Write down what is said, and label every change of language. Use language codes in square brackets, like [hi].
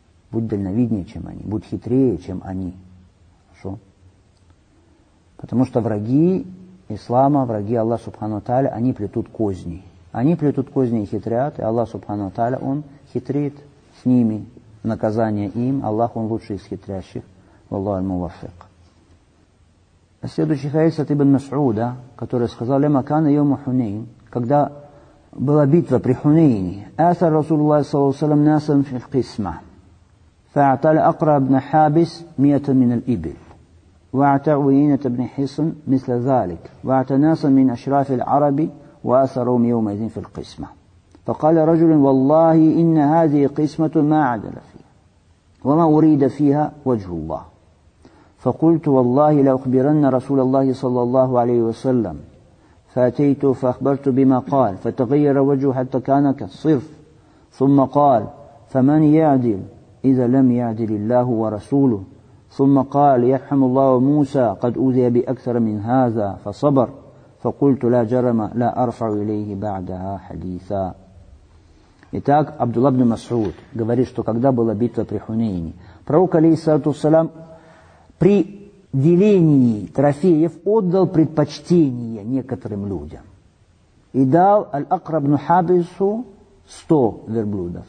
[ru] Будь дальновиднее, чем они, будь хитрее, чем они. Хорошо? Потому что враги ислама, враги Аллаха Субхану Тааля, они плетут козни. Они плетут козни и хитрят, и Аллах Субхану Тааля, он хитрит с ними, наказание им, Аллах, он лучший из хитрящих. [ar] Валлаху аль-муваффик. [ru] Следующий хадис от Ибн Мас'уда, который сказал, [ar] «Лямма кана йаум Хунейн», [ru] когда была битва при Хунейне, [ar] «Аثر رسول الله صلى الله عليه وسلم ناسا في القسمة فاعتل أقرب نحابس مئة من الإبل واعتى عيينة بن حصن مثل ذلك واعتى ناسا من أشراف العرب وأثرهم يومئذ في القسمة فقال رجل والله إن هذه قسمة ما عدل فيها وما أريد فيها وجه الله فقلت والله لأخبرن رسول الله صلى الله عليه وسلم فأتيت فأخبرت بما قال فتغير وجهه حتى كان كالصرف ثم قال فمن يعدل إذا لم يعدل الله ورسوله ثم قال يرحم الله موسى قد أوذي بأكثر من هذا فصبر فقلت لا جرم لا أرفع إليه بعدها حديثا. [ru] Итак, Абдулла ибн Масуд говорит, что когда была битва при Хунейне, пророк, алейхиссалату вассалям, при делении трофеев отдал предпочтение некоторым людям. И дал Аль-Акра ибн Хабису 100 верблюдов.